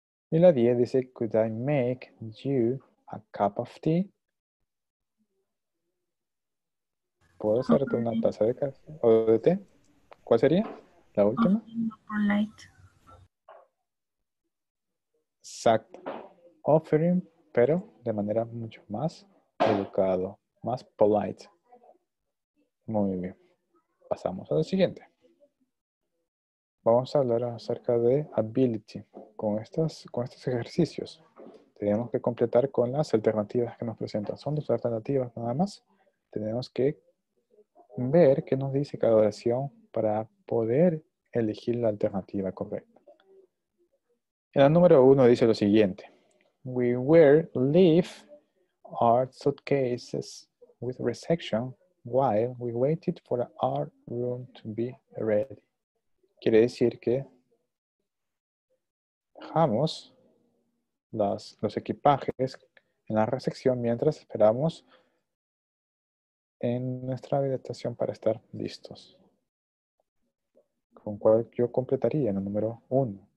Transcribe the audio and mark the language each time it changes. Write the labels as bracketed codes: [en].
[es] Y la 10 dice, [en] could I make you a cup of tea? [es] ¿Puedo hacerte una taza de café o de té? ¿Cuál sería? ¿La última? Exacto. Offering, pero de manera mucho más educado, más polite. Muy bien. Pasamos a lo siguiente. Vamos a hablar acerca de ability con estos ejercicios. Tenemos que completar con las alternativas que nos presentan. Son dos alternativas nada más. Tenemos que ver qué nos dice cada oración para poder elegir la alternativa correcta. En la número uno dice lo siguiente. [en] We were leave our suitcases with reception while we waited for our room to be ready. [es] Quiere decir que dejamos los equipajes en la recepción mientras esperamos en nuestra habitación para estar listos. ¿Con cuál yo completaría en el número uno?